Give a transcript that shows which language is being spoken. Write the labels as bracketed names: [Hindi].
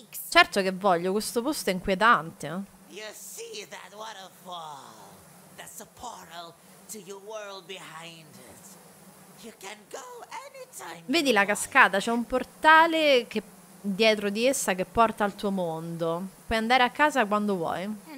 [Italian] Certo che voglio, questo posto è inquietante. [English] You see that waterfall? That's a portal to your world behind it. You can go anytime. [Italian] Vedi la cascata? C'è un portale che dietro di essa che porta al tuo mondo. Puoi andare a casa quando vuoi.